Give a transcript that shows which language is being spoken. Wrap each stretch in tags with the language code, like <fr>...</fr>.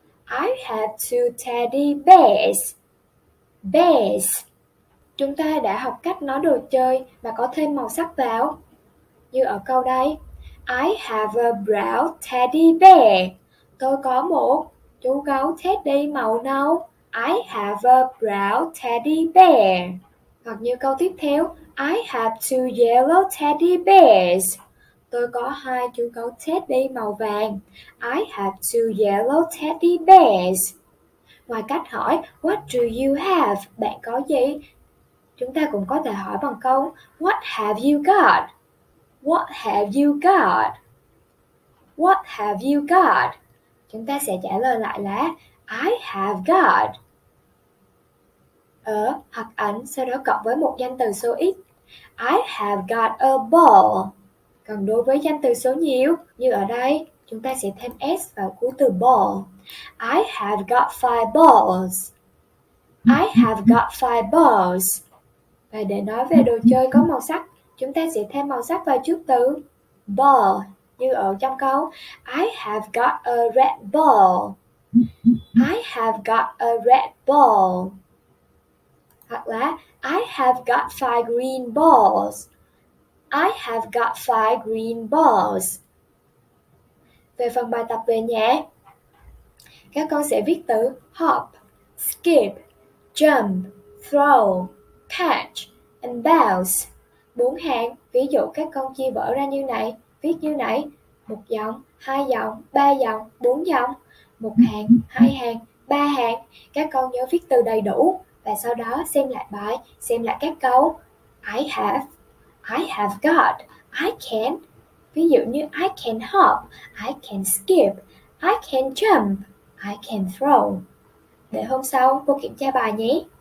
<en>I have two teddy bears. Bears.</en> <vi>Chúng ta đã học cách nói đồ chơi mà có thêm màu sắc vào. Như ở câu đây,</vi> <en>I have a brown teddy bear.</en> <vi>Tôi có một chú gấu teddy màu nâu.</vi> <en>I have a brown teddy bear.</en> <vi>Hoặc như câu tiếp theo,</vi> <en>I have two yellow teddy bears.</en> <vi>Tôi có hai chú gấu teddy màu vàng.</vi> <en>I have two yellow teddy bears.</en> <vi>Ngoài cách hỏi</vi> <en>What do you have?</en> <vi>Bạn có gì? Chúng ta cũng có thể hỏi bằng câu</vi> <en>What have you got? What have you got? What have you got?</en> <vi>Chúng ta sẽ trả lời lại là</vi> <en>I have got.</en> <vi>Ở hoặc ảnh sau đó cộng với một danh từ số ít.</vi> <en>I have got a ball.</en> <vi>Còn đối với danh từ số nhiều, như ở đây, chúng ta sẽ thêm s vào cuối từ ball.</vi> <en>I have got five balls. I have got five balls.</en> <vi>Và để nói về đồ chơi có màu sắc, chúng ta sẽ thêm màu sắc vào trước từ ball. Như ở trong câu,</vi> <en>I have got a red ball. I have got a red ball.</en> <vi>Hoặc là,</vi> <en>I have got five green balls. I have got five green balls.</en> <vi>Về phần bài tập về nhé, các con sẽ viết từ</vi> <en>hop, skip, jump, throw, catch, and bounce.</en> <vi>Bốn hàng, ví dụ các con chia vở ra như này, viết như này. Một dòng, hai dòng, ba dòng, bốn dòng. Một hàng, hai hàng, ba hàng. Các con nhớ viết từ đầy đủ và sau đó xem lại bài, xem lại các câu.</vi> <en>I have, I have got, I can,</en> <vi>ví dụ như</vi> <en>I can hop, I can skip, I can jump, I can throw.</en> <vi>Để hôm sau cô kiểm tra bài nhé.</vi>